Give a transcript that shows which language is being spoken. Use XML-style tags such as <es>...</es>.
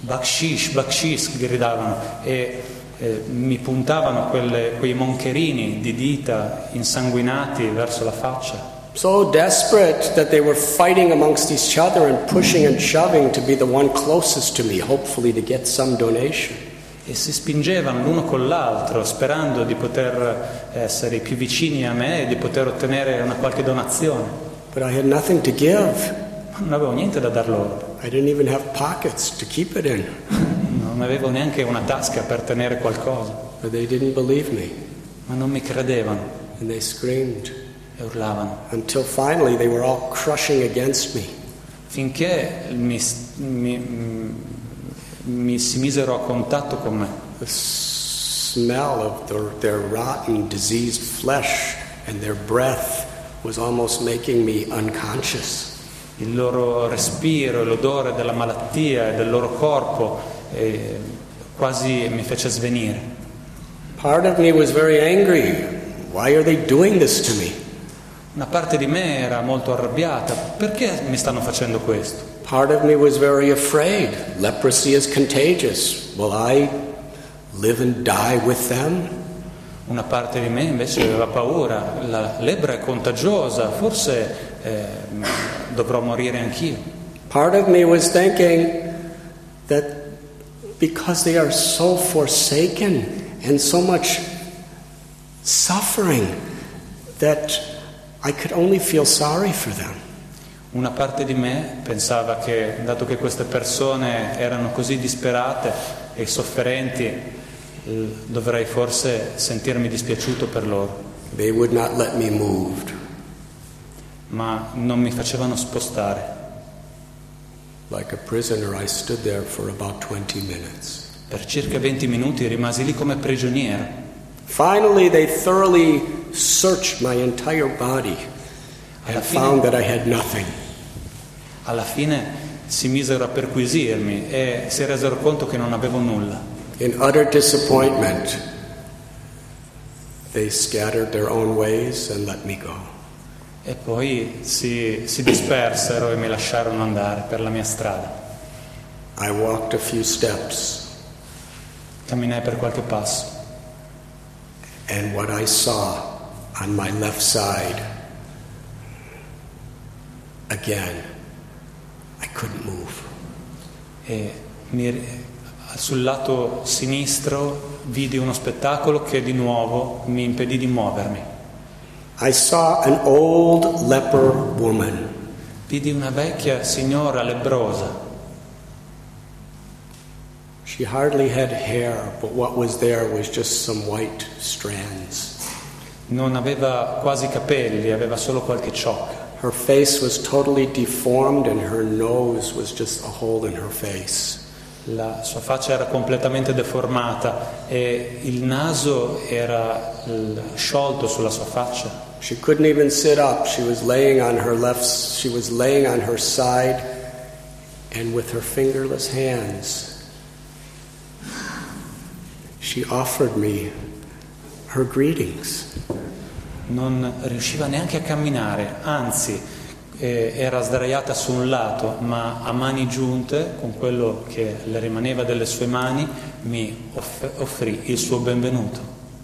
<it>Bakshish, bakshish, gridavano e mi puntavano quei moncherini di dita insanguinati verso la faccia.</it> <en>So desperate that they were fighting amongst each other and pushing and shoving to be the one closest to me, hopefully to get some donation.</en> <it>E si spingevano l'uno con l'altro sperando di poter essere più vicini a me e di poter ottenere una qualche donazione.</it> <en>But I had nothing to give.</en> <it>Ma non avevo niente da dar loro.</it> <en>I didn't even have pockets to keep it in.</en> <it>Non avevo neanche una tasca per tenere qualcosa.</it> <en>But they didn't believe me.</en> <it>Ma non mi credevano.</it> <en>And they screamed.</en> <it>E urlavano.</it> <en>Until finally they were all crushing against me.</en> <it>Finché mi si misero a contatto con me.</it> <en>The smell of their rotten, diseased flesh and their breath was almost making me unconscious.</en> <it>Il loro respiro, l'odore della malattia e del loro corpo quasi mi fece svenire.</it> <en>Part of me was very angry. Why are they doing this to me?</en> <it>Una parte di me era molto arrabbiata. Perché mi stanno facendo questo?</it> <en>Part of me was very afraid. Leprosy is contagious. Will I live and die with them?</en> <it>Una parte di me invece aveva paura. La lebbra è contagiosa. Forse dovrò morire anch'io.</it> <en>Part of me was thinking that because they are so forsaken and so much suffering that I could only feel sorry for them.</en> <it>Una parte di me pensava che, dato che queste persone erano così disperate e sofferenti, dovrei forse sentirmi dispiaciuto per loro.</it> <en>They would not let me move.</en> <it>Ma non mi facevano spostare.</it> <en>Like a prisoner, I stood there for about 20 minutes.</en> <it>Per circa 20 minuti rimasi lì come prigioniero.</it> <en>Finally, they thoroughly searched my entire body and found that I had nothing.</en> <it>Alla fine si misero a perquisirmi e si resero conto che non avevo nulla.</it> <en>In utter disappointment, they scattered their own ways and let me go.</en> <it>E poi si dispersero e mi lasciarono andare per la mia strada.</it> <en>I walked a few steps.</en> <it>Camminai per qualche passo.</it> <en>And what I saw on my left side, again, I couldn't move.</en> <it>E sul lato sinistro vidi uno spettacolo che di nuovo mi impedì di muovermi.</it> <en>I saw an old leper woman.</en> <it>Vidi una vecchia signora lebbrosa.</it> <en>She hardly had hair, but what was there was just some white strands.</en> <it>Non aveva quasi capelli, aveva solo qualche ciocca.</it> <en>Her face was totally deformed and her nose was just a hole in her face.</en> <it>La sua faccia era completamente deformata e il naso era sciolto sulla sua faccia.</it> <en>She couldn't even sit up. She was laying on her side, and with her fingerless hands, she offered me her greetings.</en> <it>Non riusciva neanche a camminare, anzi, era sdraiata su un lato, ma a mani giunte, con quello che le rimaneva delle sue mani, mi offrì il suo benvenuto.</it>